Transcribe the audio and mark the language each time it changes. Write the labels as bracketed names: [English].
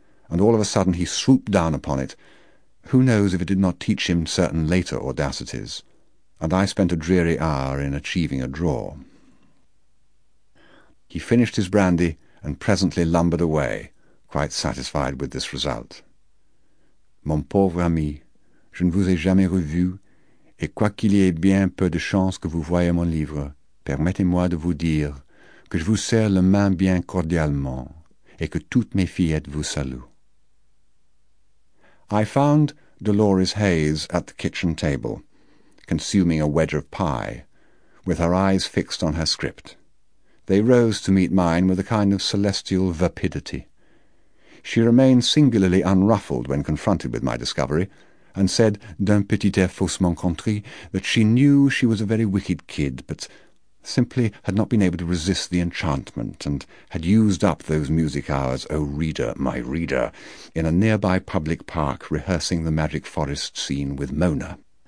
[English] And all of a sudden he swooped down upon it. Who knows if it did not teach him certain later audacities? And I spent a dreary hour in achieving a draw. He finished his brandy and presently lumbered away, quite satisfied with this result. [French] Mon pauvre ami, je ne vous ai jamais revu, et quoiqu'il y ait bien peu de chance que vous voyez mon livre, permettez-moi de vous dire que je vous serre la main bien cordialement, et que toutes mes fillettes vous saluent. [English] I found Dolores Hayes at the kitchen table, consuming a wedge of pie, with her eyes fixed on her script. They rose to meet mine with a kind of celestial vapidity. She remained singularly unruffled when confronted with my discovery, and said, [French] d'un petit air faussement contrit, [English] that she knew she was a very wicked kid, but simply had not been able to resist the enchantment, and had used up those music hours, O reader, my reader, in a nearby public park rehearsing the magic forest scene with Mona.